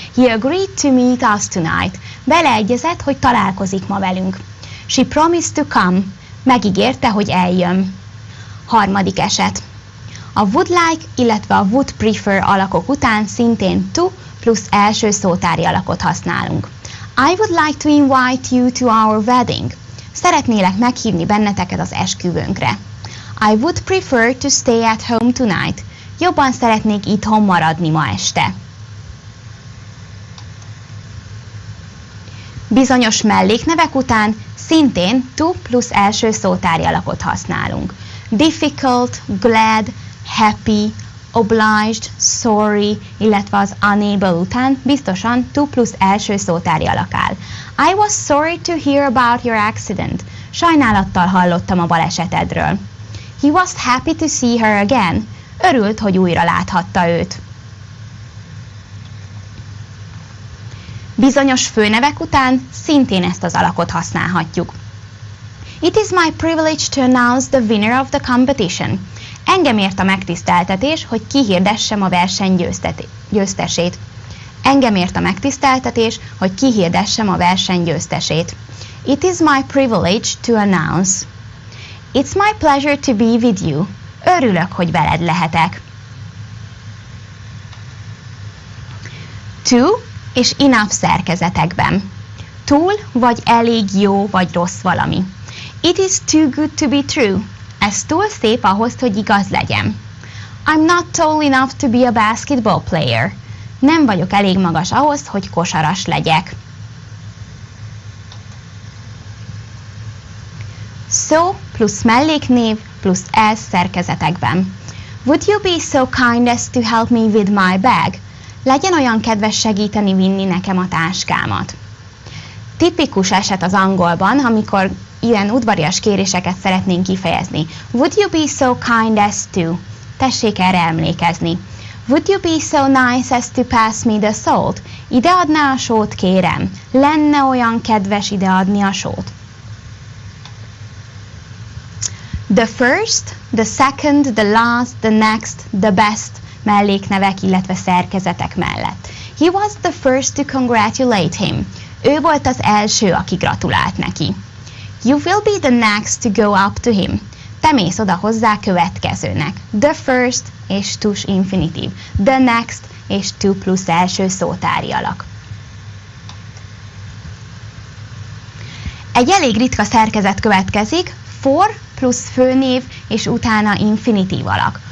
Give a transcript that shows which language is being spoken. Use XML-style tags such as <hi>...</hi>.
<en>He agreed to meet us tonight.</en> <hu>Beleegyezett, hogy találkozik ma velünk.</hu> <en>She promised to come.</en> <hu>Megígérte, hogy eljön. Harmadik eset. A would like, illetve a would prefer alakok után szintén to plusz első szótári alakot használunk.</hu> <en>I would like to invite you to our wedding.</en> <hu>Szeretnélek meghívni benneteket az esküvőnkre.</hu> <en>I would prefer to stay at home tonight.</en> <hu>Jobban szeretnék itthon maradni ma este. Bizonyos melléknevek után szintén to plusz első szótári alakot használunk. Difficult, glad, happy, obliged, sorry, illetve az unable után biztosan to plusz első szótári alak áll.</hu> <en>I was sorry to hear about your accident.</en> <hu>Sajnálattal hallottam a balesetedről.</hu> <en>He was happy to see her again.</en> <hu>Örült, hogy újra láthatta őt. Bizonyos főnevek után szintén ezt az alakot használhatjuk.</hu> <en>It is my privilege to announce the winner of the competition.</en> <hu>Engem ért a megtiszteltetés, hogy kihirdessem a verseny győztesét. Engem ért a megtiszteltetés, hogy kihirdessem a verseny győztesét.</hu> <en>It is my privilege to announce. It's my pleasure to be with you.</en> <hu>Örülök, hogy veled lehetek. To és enough szerkezetekben. Túl vagy elég jó vagy rossz valami.</hu> <en>It is too good to be true.</en> <hu>Ez túl szép ahhoz, hogy igaz legyen.</hu> <en>I'm not tall enough to be a basketball player.</en> <hu>Nem vagyok elég magas ahhoz, hogy kosaras legyek. So plusz melléknév plusz ez szerkezetekben.</hu> <en>Would you be so kind as to help me with my bag?</en> <hu>Legyen olyan kedves segíteni vinni nekem a táskámat. Tipikus eset az angolban, amikor ilyen udvarias kéréseket szeretnénk kifejezni.</hu> <en>Would you be so kind as to?</en> <hu>Tessék erre emlékezni.</hu> <en>Would you be so nice as to pass me the salt?</en> <hu>Ide adná a sót, kérem. Lenne olyan kedves ide adni a sót? The first, the second, the last, the next, the best melléknevek, illetve szerkezetek mellett.</hu> <en>He was the first to congratulate him.</en> <hu>Ő volt az első, aki gratulált neki.</hu> <en>You will be the next to go up to him.</en> <hu>Te mész oda hozzá következőnek. The first és tus infinitív. The next és to plusz első szótári alak. Egy elég ritka szerkezet következik. For plusz főnév és utána infinitív alak.</hu>